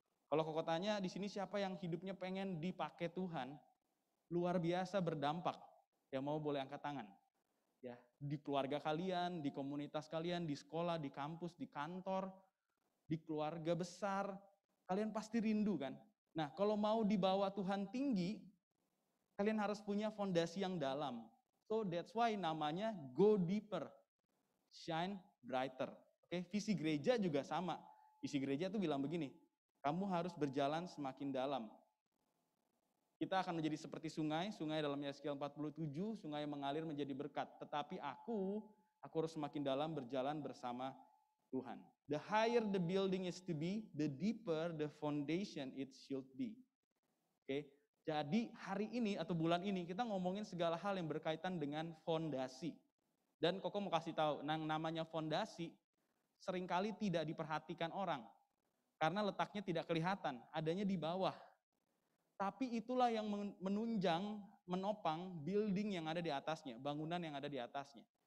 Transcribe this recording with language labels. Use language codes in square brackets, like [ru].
[id] Kalau Koko tanya di sini siapa yang hidupnya pengen dipakai Tuhan, luar biasa berdampak, ya mau boleh angkat tangan. Ya, di keluarga kalian, di komunitas kalian, di sekolah, di kampus, di kantor, di keluarga besar, kalian pasti rindu kan? Nah, kalau mau dibawa Tuhan tinggi, kalian harus punya fondasi yang dalam. [en] So that's why namanya go deeper, shine brighter. [id] Oke, visi gereja juga sama. Visi gereja itu bilang begini, kamu harus berjalan semakin dalam. Kita akan menjadi seperti sungai, sungai dalam Yeskiel 47, sungai mengalir menjadi berkat. Tetapi aku harus semakin dalam berjalan bersama Tuhan. [en] The higher the building is to be, the deeper the foundation it should be. [id] Oke, jadi hari ini atau bulan ini kita ngomongin segala hal yang berkaitan dengan fondasi. Dan Koko mau kasih tahu, nah namanya fondasi seringkali tidak diperhatikan orang. Karena letaknya tidak kelihatan, adanya di bawah. Tapi itulah yang menunjang, menopang building yang ada di atasnya, bangunan yang ada di atasnya.